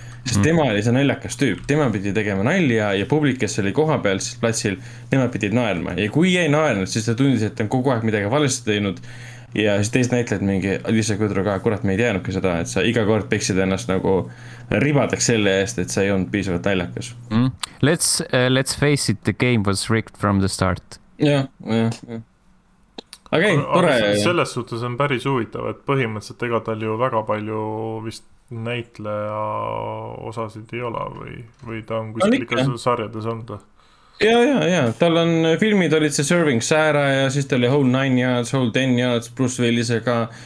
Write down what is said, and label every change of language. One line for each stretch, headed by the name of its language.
Estonian: Sest tema oli see naljakas tüüp, tema pidi tegema nalja ja publik, kes oli koha peal platsil, tema pidid naerma. Ja kui ei naernud, siis ta tundis, et ta on kogu aeg midagi valesti teinud. Ja siis teist näitled mingi Alisa Kudro ka, kurat, me ei teanudki seda, et sa iga kord peksid ennast nagu ribadeks selle eest, et sa ei olnud piisavalt naljakas. Mm.
English: Let's face it, the game was rigged from the start.
Estonian: Jah. Okei, tore. Selles suhtes on päris huvitav, et põhimõtteliselt ega tal ju väga palju vist näitleja osasid ei ole või ta on kuskil ikka sarjades olnud. Ja. Tal on filmid, olid see Serving Sara ja siis tal oli Whole 9 Yards, Whole 10 Yards, Bruce Willisega.